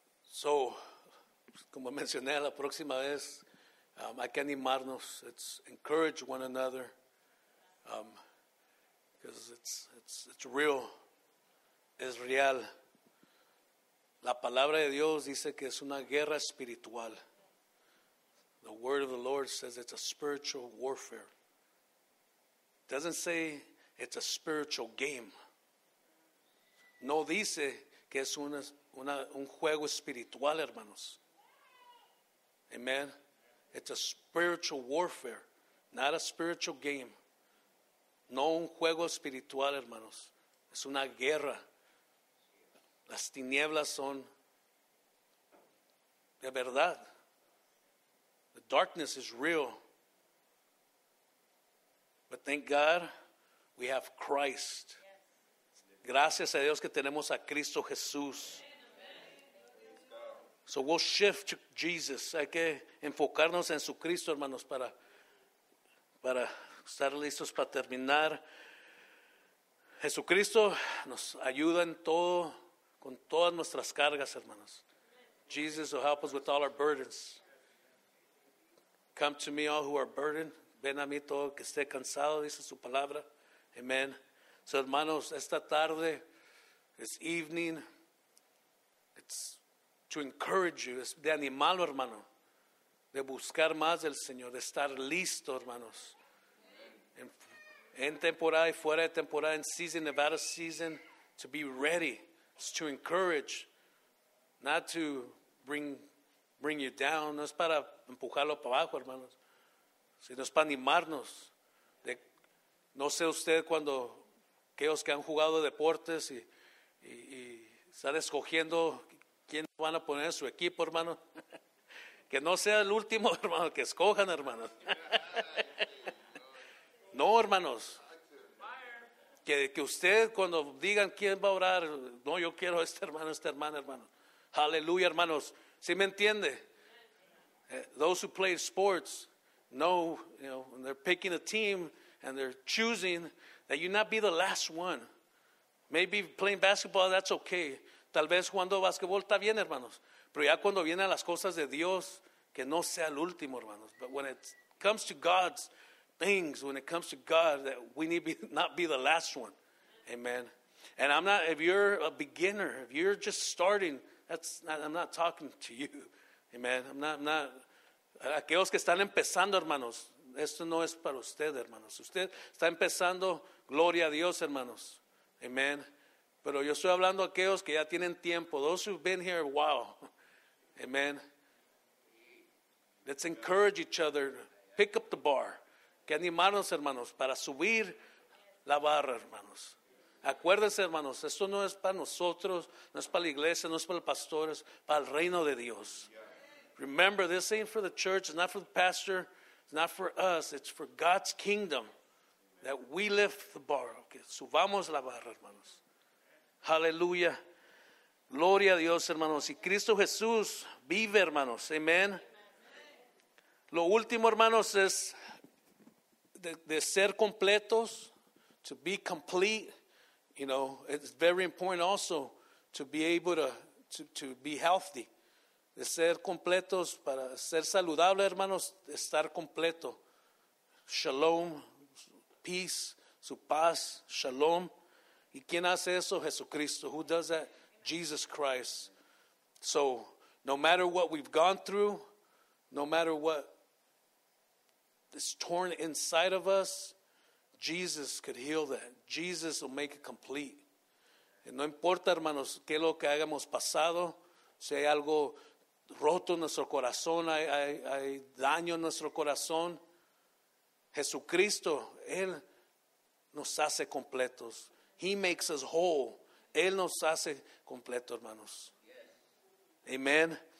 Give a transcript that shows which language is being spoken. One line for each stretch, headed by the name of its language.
Spanish: So, como mencioné, la próxima vez, hay que animarnos.
English: It's encourage one another. Because it's real.
Spanish: Es real. La palabra de Dios dice que es una guerra espiritual.
English: The word of the Lord says it's a spiritual warfare. It doesn't say it's a spiritual game.
Spanish: No dice que es un juego espiritual, hermanos. Amen.
English: It's a spiritual warfare, not a spiritual game.
Spanish: No un juego espiritual, hermanos. Es una guerra. Las tinieblas son de verdad.
English: The darkness is real. But thank God we have Christ.
Spanish: Gracias a Dios que tenemos a Cristo Jesús.
English: So we'll shift to Jesus.
Spanish: Hay que enfocarnos en su Cristo, hermanos, para estar listos para terminar. Jesucristo nos ayuda en todo, con todas nuestras cargas, hermanos.
English: Jesus will help us with all our burdens. Come to me, all who are burdened.
Spanish: Ven a mí, todo que esté cansado, dice su palabra. Amen. So, hermanos, esta tarde,
English: this evening, it's to encourage you,
Spanish: de animarlo, hermano, de buscar más del Señor, de estar listo, hermanos. En temporada y fuera de temporada,
English: in season, about a season, to be ready. It's to encourage, not to bring you down.
Spanish: No es para empujarlo para abajo, hermanos, sino es para animarnos. No sé usted cuando aquellos que han jugado deportes y están escogiendo quién van a poner en su equipo, hermano. Que no sea el último, hermano, que escojan, hermano. No, hermanos. Que usted cuando digan quién va a orar, no, yo quiero a este hermano, hermano. Aleluya, hermanos. ¿Sí me entiende?
English: Those who play sports know, you know, when they're picking a team, and they're choosing that you not be the last one. Maybe playing basketball, that's okay.
Spanish: Tal vez jugando basketball está bien, hermanos. Pero ya cuando vienen las cosas de Dios, que no sea el último, hermanos.
English: But when it comes to God's things, when it comes to God, that we need be, not be the last one. Amen. And I'm not, if you're a beginner, if you're just starting, I'm not talking to you.
Spanish: Amen.
English: I'm not,
Spanish: aquellos que están empezando, hermanos. Esto no es para usted, hermanos. Usted está empezando, gloria a Dios, hermanos. Amen. Pero yo estoy hablando a aquellos que ya tienen tiempo.
English: Those who've been here, wow. Amen. Let's encourage each other. Pick up the bar.
Spanish: Que animarnos, hermanos, para subir la barra, hermanos. Acuérdense, hermanos, esto no es para nosotros, no es para la iglesia, no es para el pastor, es para el reino de Dios.
English: Remember, this ain't for the church, it's not for the pastor. Not for us, it's for God's kingdom that we lift the bar.
Spanish: Okay, subamos la barra, hermanos. Hallelujah. Gloria a Dios, hermanos. Y Cristo Jesús vive, hermanos. Amen. Amen. Lo último, hermanos, es de ser completos,
English: to be complete. You know, it's very important also to be able to be healthy.
Spanish: De ser completos, para ser saludable, hermanos, estar completo. Shalom, peace, su paz, shalom. ¿Y quién hace eso? Jesucristo.
English: Who does that? Jesus Christ. So, no matter what we've gone through, no matter what is torn inside of us, Jesus could heal that. Jesus will make it complete.
Spanish: Y no importa, hermanos, qué es lo que hayamos pasado, si hay algo roto nuestro corazón, hay daño en nuestro corazón. Jesucristo, Él nos hace completos.
English: He makes us whole.
Spanish: Él nos hace completo, hermanos. Amen.